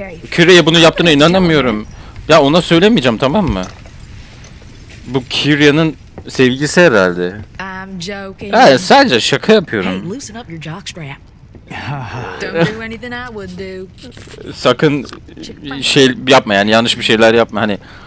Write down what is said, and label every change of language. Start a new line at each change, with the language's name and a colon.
Turkish: Kyrie'ye bunu yaptığına inanamıyorum. Ya ona söylemeyeceğim, tamam mı? Bu Kyrie'nin Sevgilisi herhalde.
English: I'm joking.
Turkish: Ha, sadece şaka yapıyorum.
English: Hey, loosen up your jock strap. Don't do anything I wouldn't do.
Turkish: Sakın şey yapma yani, yanlış bir şeyler yapma hani.